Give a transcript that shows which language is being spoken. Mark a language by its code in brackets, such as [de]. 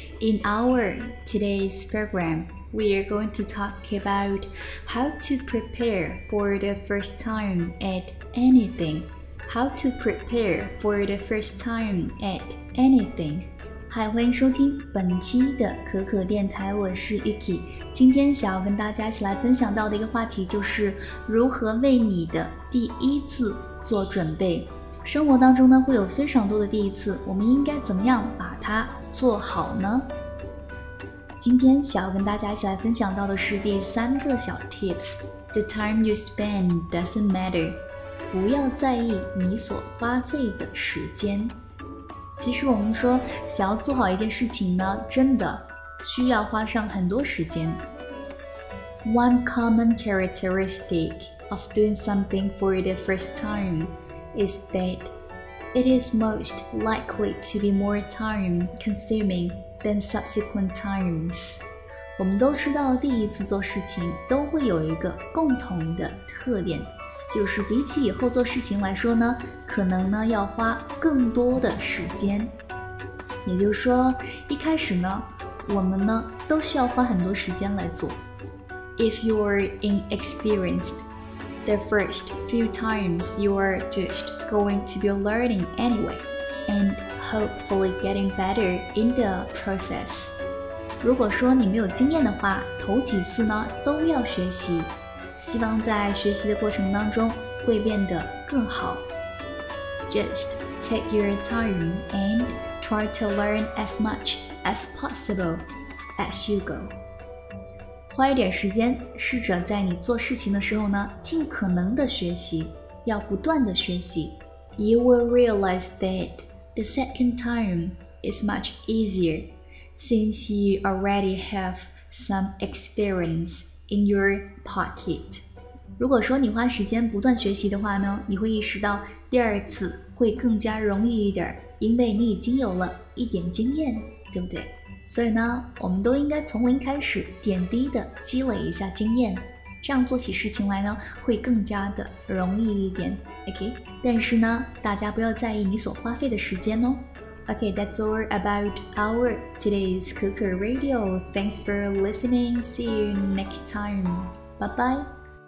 [en] In our today's program, we are going to talk about how to prepare for the first time at anything. How to prepare for the first time at anything. [zh] 嗨，欢迎收听本期的可可电台，我是 Yuki。今天想要跟大家一起来分享到的一个话题，就是如何为你的第一次做准备。生活当中呢，会有非常多的第一次，我们应该怎么样把它做好呢？今天想要跟大家一起来分享到的是第三个小 tips。 The time you spend doesn't matter，不要在意你所花费的时间。其实我们说想要做好一件事情呢，真的需要花上很多时间。 [en] One common characteristic of doing something for the first time is that it is most likely to be more time consuming than subsequent times。 [zh] 我们都知道第一次做事情都会有一个共同的特点，就是比起以后做事情来说呢，可能呢要花更多的时间。也就是说，一开始呢，我们呢都需要花很多时间来做。 [en] If you are inexperienced, the first few times you are just going to be learning anyway, and hopefully getting better in the process. [zh] 如果说你没有经验的话，头几次呢都要学习。希望在学习的过程当中会变得更好。 [en] Just take your time and try to learn as much as possible as you go. [zh] 花一点时间，试着在你做事情的时候呢，尽可能的学习，要不断的学习。 [en] You will realize that the second time is much easier since you already have some experience. In your pocket. [zh] 如果说你花时间不断学习的话呢，你会意识到第二次会更加容易一点，因为你已经有了一点经验，对不对？所以呢，我们都应该从零开始，点滴的积累一下经验，这样做起事情来呢，会更加的容易一点。 OK， 但是呢，大家不要在意你所花费的时间哦。 [en] Okay, that's all about our today's Cuckoo Radio. Thanks for listening. See you next time. Bye-bye.